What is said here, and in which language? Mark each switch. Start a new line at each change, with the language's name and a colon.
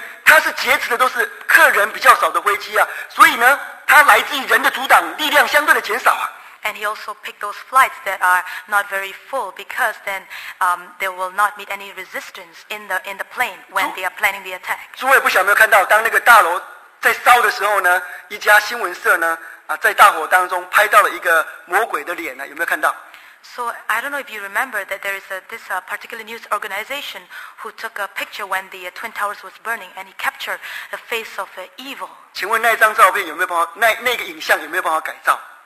Chinese: 它是劫持的都是客人比较少的飞机啊，所以呢，它来自于人的阻挡，力量相对的减少啊。
English: And he also picked those flights that are not very full because then they will not meet any resistance in the plane when they are planning the attack.
Chinese: 诸位不晓得有没有看到，当那个大楼在烧的时候呢，一家新闻社呢啊在大火当中拍到了一个魔鬼的脸呢，有没有看到？
English: So I don't know if you remember that there is this particular news organization who took a picture when the Twin Towers was burning and he captured the face of evil.
Chinese: 请问那张照片有没有办法？那个影像有没有办法改造？